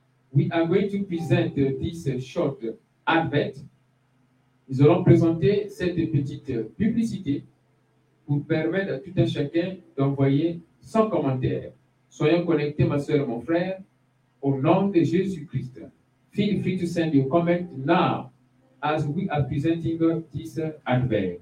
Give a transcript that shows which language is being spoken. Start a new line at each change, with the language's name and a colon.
English: We are going to present this short advert.
French: Nous allons présenter cette petite publicité pour permettre à tout un chacun d'envoyer son commentaire. Soyons connectés, ma soeur, mon frère, au nom de Jésus-Christ.
English: Feel free to send your comment now as we are presenting this advert.